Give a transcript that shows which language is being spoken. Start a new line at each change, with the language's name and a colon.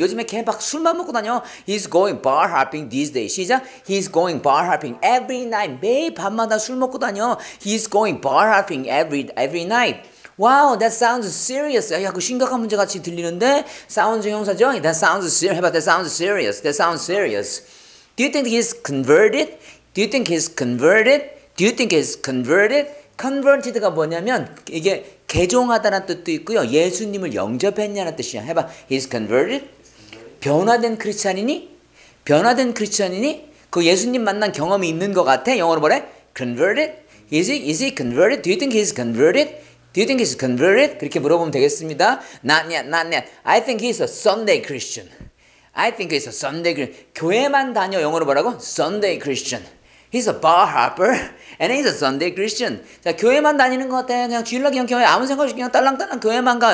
Korean: 요즘에 걔 막 술만 먹고 다녀.
English: He's going bar hopping these days. 시작. He's going bar hopping every night.
Korean: 매일 밤마다 술 먹고 다녀.
English: He's going bar hopping every night. Wow, that sounds serious.
Korean: 야, 그 심각한 문제 같이 들리는데?
English: Sounds
Korean: 형용사죠?
English: That sounds serious. 해봐, that sounds serious. That sounds serious. Do you think he's converted? Do you think he's converted? Do you think he's converted?
Korean: converted가 뭐냐면 이게 개종하다는 뜻도 있고요. 예수님을 영접했냐는 뜻이야. 해봐.
English: He's converted.
Korean: 변화된 크리스천이니? 변화된 크리스천이니? 그 예수님 만난 경험이 있는 것 같아? 영어로 뭐래?
English: Converted? Is he converted? Do you think he's converted? Do you think he's converted?
Korean: 그렇게 물어보면 되겠습니다.
English: Not yet, not yet. I think he's a Sunday Christian. I think he's a Sunday Christian.
Korean: 교회만 다녀. 영어로 뭐라고?
English: Sunday Christian. He's a bar hopper and he's a Sunday Christian.
Korean: 자, 교회만 다니는 것 같아. 그냥 주일날 그냥 교회 아무 생각 없이 그냥 딸랑딸랑 교회만 가.